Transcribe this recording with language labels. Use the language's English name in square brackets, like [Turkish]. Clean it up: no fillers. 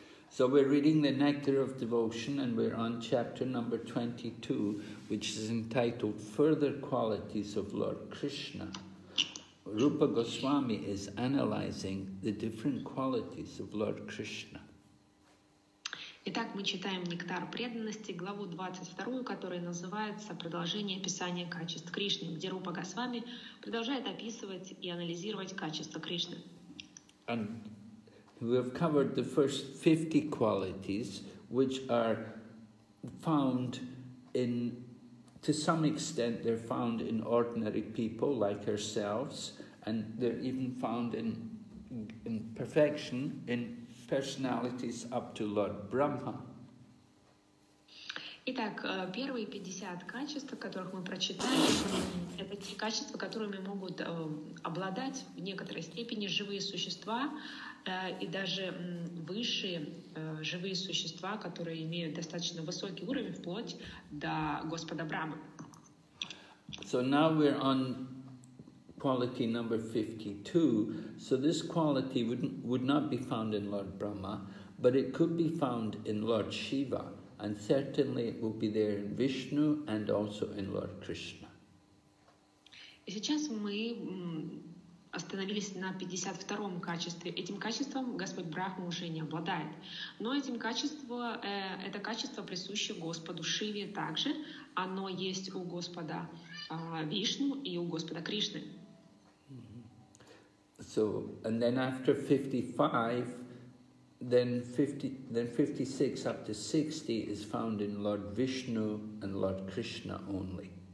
[English] So we're reading the Nectar of Devotion and we're on chapter number 22, which is entitled Further Qualities of Lord Krishna. Rupa Goswami is analyzing the different qualities of Lord Krishna. [Russian] Итак, мы читаем «Нектар преданности», главу 22, которая называется «Продолжение описания качеств Кришны», где Рупа Госвами продолжает описывать и анализировать качества Кришны. [English] And we have covered the first 50 qualities, which are found in, to some extent, they're found in ordinary people like ourselves, and they're even found in perfection, in personalities up to Lord Brahma. [Russian] Итак, первые 50 качеств, которых мы прочитали, это те качества, которыми могут обладать в некоторой степени живые существа и даже высшие живые существа, которые имеют достаточно высокий уровень вплоть до Господа Брахмы. [English] So now we're on quality number 52. So this quality would not be found in Lord Brahma, but it could be found in Lord Shiva, and certainly it will be there in Vishnu and also in Lord Krishna. [Russian] И сейчас мы остановились на 52-м качестве. Этим качеством Господь Брахма уже не обладает. Но этим качеством, это качество присуще Господу Шиве также. Оно есть у Господа Вишну и у Господа Кришны. [English] So, and then after 55, then 56 up to 60 is found in Lord Vishnu and Lord Krishna only.